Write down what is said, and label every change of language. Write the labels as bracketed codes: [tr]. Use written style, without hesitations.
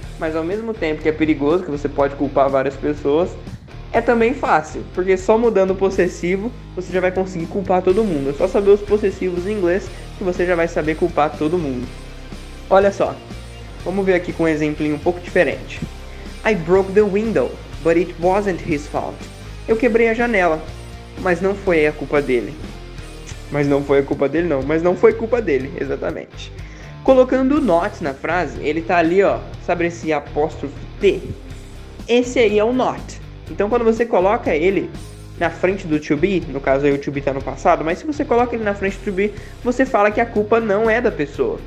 [pt] Mas ao mesmo tempo que é perigoso, que você pode culpar várias pessoas, é também fácil, porque só mudando o possessivo, você já vai conseguir culpar todo mundo. É só saber os possessivos em inglês que você já vai saber culpar todo mundo. Olha só, vamos ver aqui com um exemplinho um pouco diferente. [en] I broke the window, but it wasn't his fault. [pt] Eu quebrei a janela, mas não foi a culpa dele. Mas não foi a culpa dele, não. Mas não foi culpa dele, exatamente. Colocando o not na frase, ele tá ali, ó. Sabe esse apóstrofe T? Esse aí é o not. Então, quando você coloca ele na frente do to be, no caso aí o to be tá no passado, mas se você coloca ele na frente do to be, você fala que a culpa não é da pessoa.